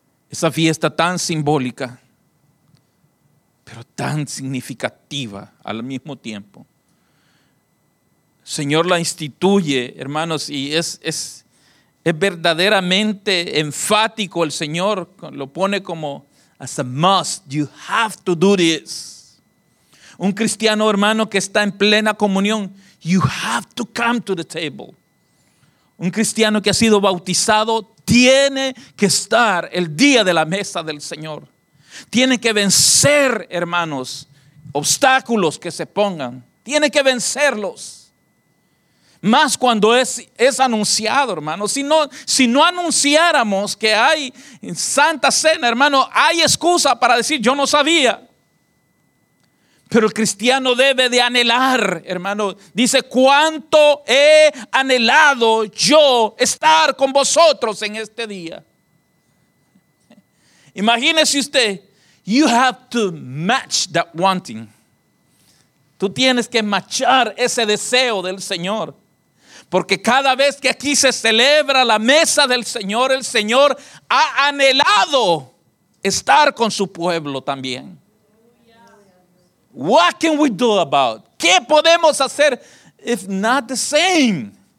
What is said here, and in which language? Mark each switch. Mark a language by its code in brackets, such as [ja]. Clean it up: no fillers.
[es] Esa fiesta tan simbólica, pero tan significativa al mismo tiempo. El Señor la instituye, hermanos, y es verdaderamente enfático. El Señor lo pone como, [en] as a must, you have to do this. [es] Un cristiano, hermano, que está en plena comunión, [en] you have to come to the table. [es] Un cristiano que ha sido bautizado tiene que estar el día de la mesa del Señor. Tiene que vencer, hermanos, obstáculos que se pongan. Tiene que vencerlos. Más cuando es anunciado, hermano. Si no anunciáramos que hay Santa Cena, hermano, hay excusa para decir yo no sabía. Pero el cristiano debe de anhelar, hermano. Dice, ¿cuánto he anhelado yo estar con vosotros en este día? Imagínese usted, [en] you have to match that wanting. [es] Tú tienes que matchar ese deseo del Señor. Porque cada vez que aquí se celebra la mesa del Señor, el Señor ha anhelado estar con su pueblo también. [en] What can we do about? [es] ¿Qué podemos hacer [en] if not the same?